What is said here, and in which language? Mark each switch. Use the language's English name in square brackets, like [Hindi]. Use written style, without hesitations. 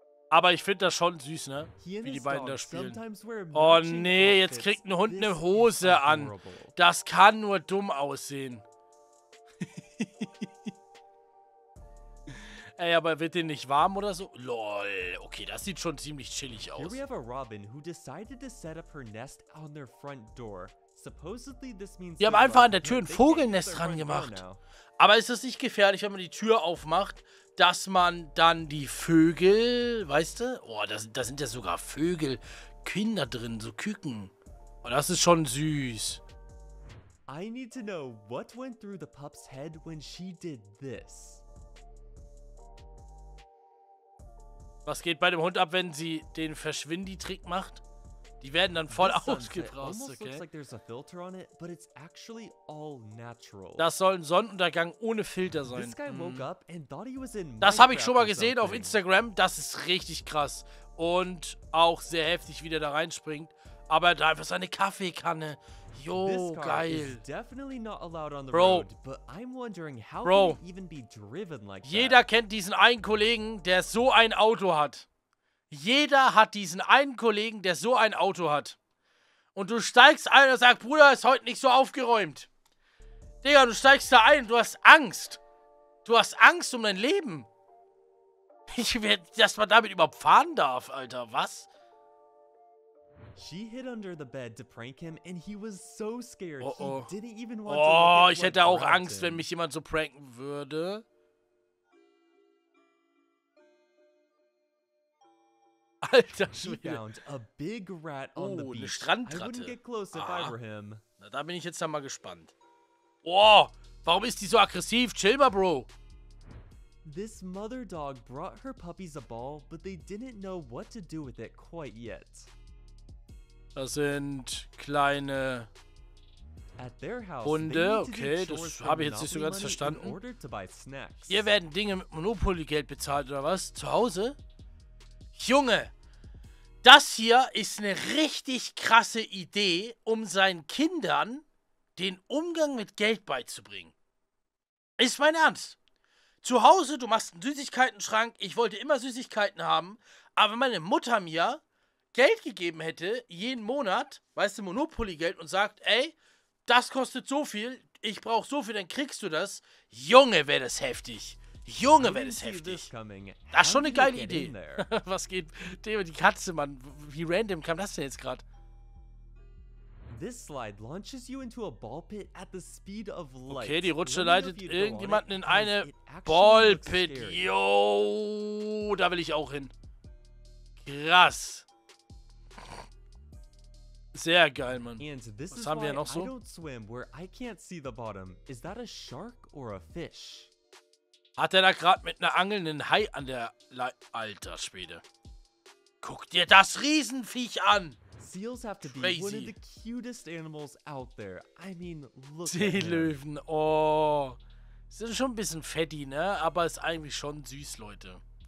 [German] Aber ich finde das schon süß, ne? Wie die beiden da spielen. Oh nee, jetzt kriegt ein Hund eine Hose an. Das kann nur dumm aussehen. Ey, aber wird den nicht warm oder so? Lol, okay, das sieht schon ziemlich chillig aus. [English] Here we have a robin who decided to set up her nest on their front door. Supposedly this means [German] wir haben einfach an der Tür ein Vogelnest dran gemacht. Aber ist es nicht gefährlich, wenn man die Tür aufmacht, dass man dann die Vögel, weißt du? Oh, da sind ja sogar Vögel, Kinder drin, so Küken. Oh, das ist schon süß. [English] I need to know what went through the pup's head when she did this. [German] Was geht bei dem Hund ab, wenn sie den Verschwindi-Trick macht? Die werden dann voll ausgebraucht, okay? [English] Looks like there's a filter on it, but it's actually all natural. [German] Das soll ein Sonnenuntergang ohne Filter sein. [English] This guy woke up and thought he was in Minecraft. [German] Das habe ich schon mal gesehen auf Instagram. Das ist richtig krass. Und auch sehr heftig, wie der da reinspringt. Aber da einfach seine Kaffeekanne. Jo, geil. [English] Is definitely not allowed on the road, but I'm wondering how he even be driven like that. [German] Jeder kennt diesen einen Kollegen, der so ein Auto hat. Jeder hat diesen einen Kollegen, der so ein Auto hat. Und du steigst ein und sagst, Bruder, ist heute nicht so aufgeräumt. Digga, du steigst da ein und du hast Angst. Du hast Angst um dein Leben. Ich werde, dass man damit überhaupt fahren darf, Alter, was? [English] She hid under the bed to prank him and he was so scared. Oh, oh. He didn't even want oh, to look at what [German] ich hätte auch Angst, wenn mich jemand so pranken würde. Alter Schwede. [English] Found a big rat on oh, the beach. [German] Eine Strandratte. [English] I wouldn't get close if I were him. [German] Na, da bin ich jetzt dann mal gespannt. Oh, warum ist die so aggressiv? Chill mal, Bro. [English] This mother dog brought her puppies a ball, but they didn't know what to do with it quite yet. [German] Das sind kleine Hunde. Okay, das habe ich jetzt nicht so ganz verstanden. Hier werden Dinge mit Monopoly-Geld bezahlt, oder was? Zu Hause? Junge, das hier ist eine richtig krasse Idee, um seinen Kindern den Umgang mit Geld beizubringen. Ist mein Ernst. Zu Hause, du machst einen Süßigkeiten-Schrank. Ich wollte immer Süßigkeiten haben. Aber meine Mutter mir Geld gegeben hätte, jeden Monat, weißt du, Monopoly-Geld, und sagt, ey, das kostet so viel, ich brauch so viel, dann kriegst du das. Junge, wäre das heftig. Junge, wäre das heftig. Das ist schon eine geile Idee. Was geht, die Katze, Mann, wie random kam das denn jetzt gerade? [English] This slide launches you into a ball pit at the speed of light. [German] Okay, die Rutsche leitet irgendjemanden in eine Ball Pit. Yo, da will ich auch hin. Krass. Sehr geil, Mann. Was haben wir noch so? [English] I don't swim where I can't see the bottom. Is that a shark or a fish? [German] Hat er da gerade mit einer Angel einen Hai an der Alter Schwede. Guck dir das Riesenviech an. [English] Seals have to crazy. Be one of the cutest animals out there. I mean, look [German] Seelöwen. [English] At them. Oh. [German] Sind schon ein bisschen fetti, ne, aber ist eigentlich schon süß, Leute.